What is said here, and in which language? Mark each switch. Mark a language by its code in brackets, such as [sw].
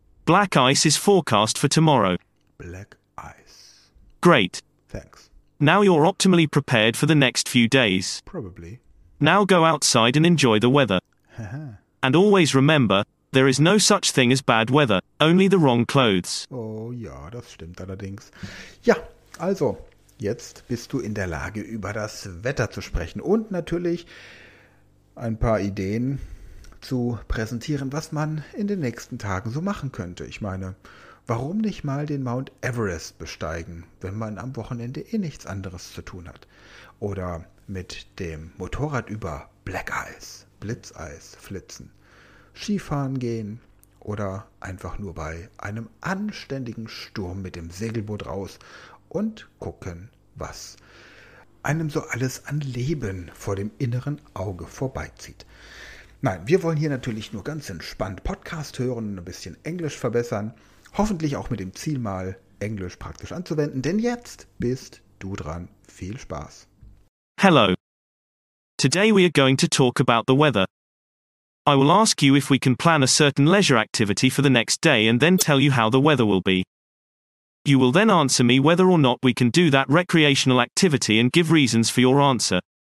[en] Black ice is forecast for tomorrow. Black ice. Great. Thanks. Now you're optimally prepared for the next few days. Probably. Now go outside and enjoy the weather. And always remember, there is no such thing as bad weather, only the wrong clothes. [de] Oh ja, das stimmt allerdings. Ja, also, jetzt bist du in der Lage, über das Wetter zu sprechen und natürlich ein paar Ideen zu präsentieren, was man in den nächsten Tagen so machen könnte. Ich meine, warum nicht mal den Mount Everest besteigen, wenn man am Wochenende eh nichts anderes zu tun hat? Oder mit dem Motorrad über Blackeis, Blitzeis flitzen, Skifahren gehen oder einfach nur bei einem anständigen Sturm mit dem Segelboot raus und gucken, was einem so alles an Leben vor dem inneren Auge vorbeizieht. Nein, wir wollen hier natürlich nur ganz entspannt Podcast hören und ein bisschen Englisch verbessern. Hoffentlich auch mit dem Ziel, mal Englisch praktisch anzuwenden. Denn jetzt bist du dran. Viel Spaß. [en] Hello. Today we are going to talk about the weather. I will ask you if we can plan a certain leisure activity for the next day and then tell you how the weather will be. You will then answer me whether or not we can do that recreational activity and give reasons for your answer.